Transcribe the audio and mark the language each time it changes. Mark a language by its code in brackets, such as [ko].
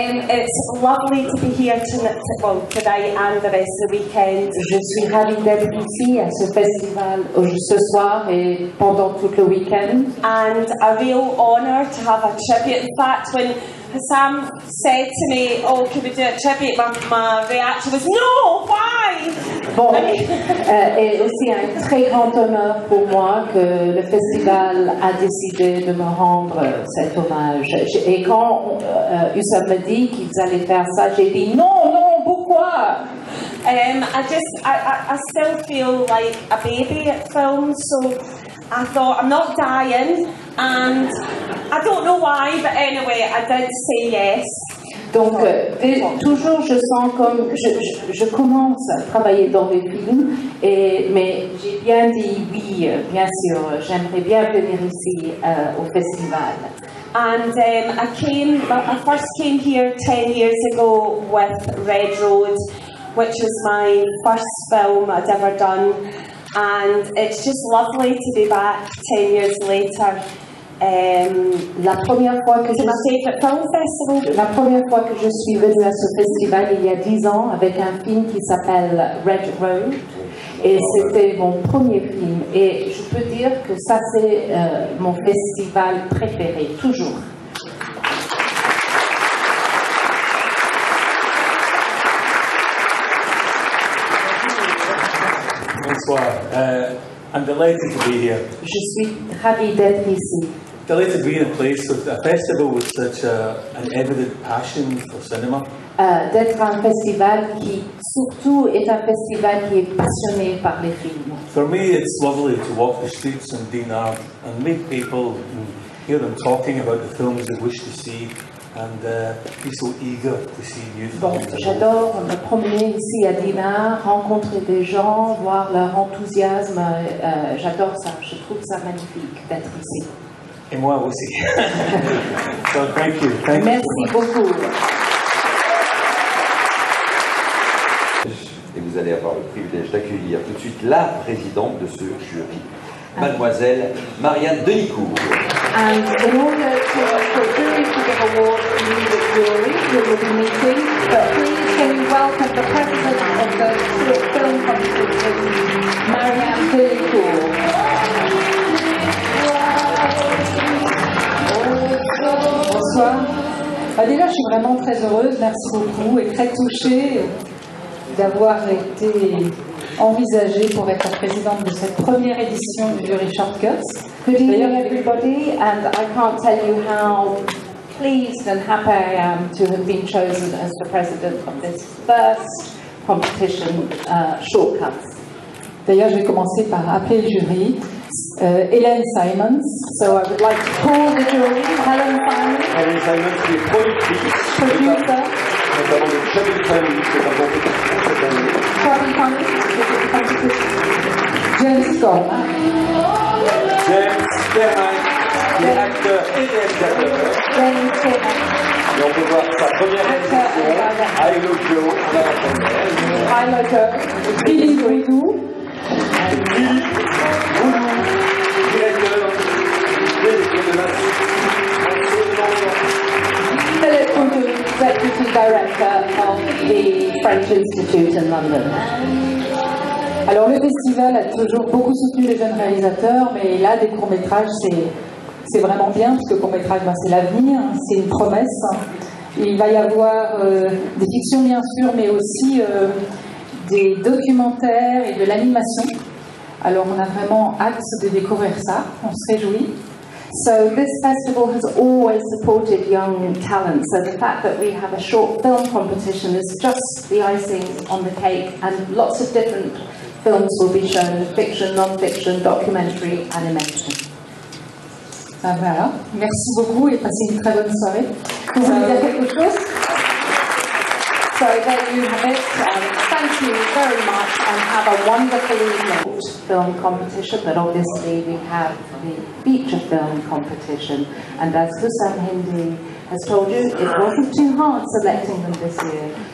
[en] It's lovely to be here tonight, well, today and the rest of the weekend. [fr] Je suis ravie d'être ici à ce festival ce soir et pendant tout le weekend. [en] And a real honour to have a tribute. In fact, when Hassam said to me, "Oh, can we do a tribute?" my reaction was, "No, why?" [fr] Bon, et aussi un très grand honneur pour moi que le festival a décidé de me rendre cet hommage. Et quand Hussam m'a dit qu'ils allaient faire ça, j'ai dit non, non, pourquoi? [en] I still feel like a baby at film, so I thought I'm not dying, and I don't know why, but anyway, I did say yes. [fr] Donc, toujours je sens comme je commence à travailler dans des films, mais j'ai bien dit oui, bien sûr, j'aimerais bien venir ici au festival. [en] And I first came here 10 years ago with Red Road, which was my first film I'd ever done. And it's just lovely to be back 10 years later. [fr] La première fois que la première fois que je suis venue à ce festival il y a 10 ans avec un film qui s'appelle Red Road et c'était mon premier film et je peux dire que ça c'est mon festival préféré toujours. Bonsoir. [en] I'm delighted to be here. [fr] Je suis ravie d'être ici. [en] Delighted to be in a place with a festival with such an evident passion for cinema. [fr] D'être un festival qui surtout est un festival qui est passionné par les films. [en] For me, it's lovely to walk the streets in Dinard and meet people and hear them talking about the films they wish to see. And be so eager to see new films. [fr] Bon, j'adore me promener ici à Dinard, rencontrer des gens, voir leur enthousiasme. J'adore ça. Je trouve ça magnifique d'être ici. Et moi aussi. [en] So thank you. Thank [fr] Merci [en] you [fr] beaucoup. Et vous allez avoir le privilège d'accueillir tout de suite la présidente de ce jury, Mademoiselle Marianne Denicourt. [en] And in order for the jury to give award to you, the jury, who will be meeting, but please can you welcome the president of the Short Film Competition, Marianne Denicourt. [fr] Bonsoir. Bah déjà, je suis vraiment très heureuse, merci beaucoup, et très touchée d'avoir été envisagé pour être présidente de cette première édition du jury Shortcuts. [en] Good evening, everybody, and I can't tell you how pleased and happy I am to have been chosen as the president of this first competition, Shortcuts. [fr] D'ailleurs, je vais commencer par appeler le jury, Hélène Simons. [en] So I would like to call the jury, Helen Simons. [fr] Hélène Simons, qui est productrice. [en] Producer. James Scott. [fr] James Kerrang, qui est acteur et réalisateur. James Kerrang. Et on peut voir sa première réalisation, Ilo Joe, à la première. Ilo Joe, Billy Bridou. Billy Bridou, directeur de l'équipe de [en] Deputy Director of the French Institute in London. [fr] Alors le festival a toujours beaucoup soutenu les jeunes réalisateurs, mais là des courts-métrages c'est vraiment bien, parce que court-métrage ben, c'est l'avenir, c'est une promesse. Il va y avoir des fictions bien sûr, mais aussi des documentaires et de l'animation. Alors on a vraiment hâte de découvrir ça, on se réjouit. [en] So this festival has always supported young talent. So the fact that we have a short film competition is just the icing on the cake, and lots of different films will be shown, fiction, non-fiction, documentary, animation. [fr] Ah, voilà. Merci beaucoup et passez une très bonne soirée. Vous voulez dire quelque chose? [en] So there you have it. Thank you very much and have a wonderful evening. Film competition, but obviously we have the feature film competition, and as Hussam Hindi has told you, it wasn't too hard selecting them this year,